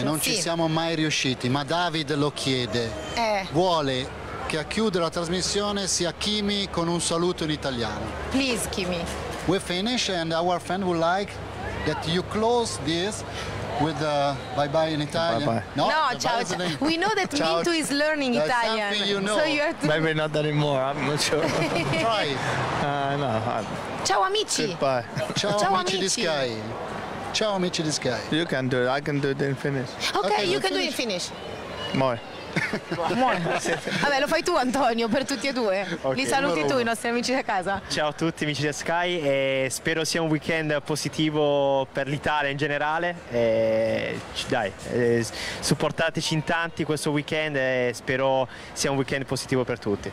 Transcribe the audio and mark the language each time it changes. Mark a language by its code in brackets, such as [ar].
[it] Non ci siamo mai riusciti, ma David lo chiede. Vuole che a chiudere la trasmissione sia Kimi con un saluto in italiano. [en] Please, Kimi. We finish, and our friend would like that you close this with the bye bye in Italian. Bye bye. No, ciao. We know that Mintu is learning Italian. You know. So you have to. Maybe not anymore. I'm not sure. Try. No. [it] Ciao amici. [en] Goodbye. [it] Ciao amici di Sky. Ciao amici di Sky. [en] You can do it. I can do it in Finnish. Okay, you can do it in Finnish. [fi] Moi. [it] Vabbè, lo fai tu Antonio per tutti e due. Okay, li saluti tu i nostri amici da casa. Ciao a tutti amici da Sky, e spero sia un weekend positivo per l'Italia in generale, e dai, supportateci in tanti questo weekend, e spero sia un weekend positivo per tutti.